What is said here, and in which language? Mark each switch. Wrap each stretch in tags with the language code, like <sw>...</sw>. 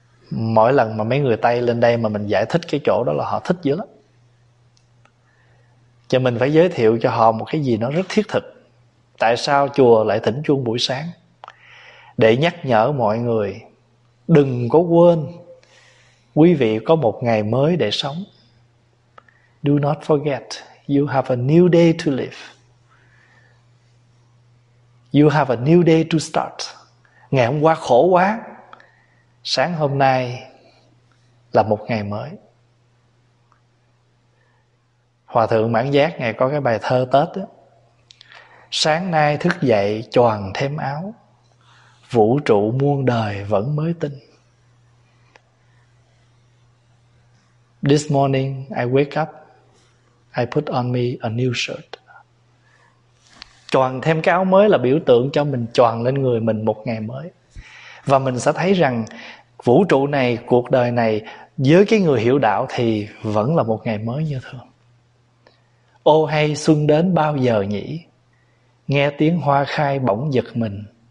<vi>Mỗi lần mà mấy người Tây lên đây mà mình giải thích cái chỗ đó là họ thích dữ lắm. Cho mình phải giới thiệu cho họ một cái gì nó rất thiết thực. Tại sao chùa lại thỉnh chuông buổi sáng? Để nhắc nhở mọi người đừng có quên, quý vị có một ngày mới để sống.</vi> <en>Do not forget, you have a new day to live. You have a new day to start.</en> <vi>Ngày hôm qua khổ quá, sáng hôm nay là một ngày mới. Hòa thượng Mãn Giác ngài có cái bài thơ Tết đó. Sáng nay thức dậy choàng thêm áo, vũ trụ muôn đời vẫn mới tinh.</vi> <en>This morning I wake up, I put on me a new shirt.</en> <vi>Choàng thêm cái áo mới là biểu tượng cho mình choàng lên người mình một ngày mới. Và mình sẽ thấy rằng vũ trụ này, cuộc đời này với cái người hiểu đạo thì vẫn là một ngày mới như thường. Ô hay xuân đến bao giờ nhỉ? Nghe tiếng hoa khai bỗng giật mình.</vi>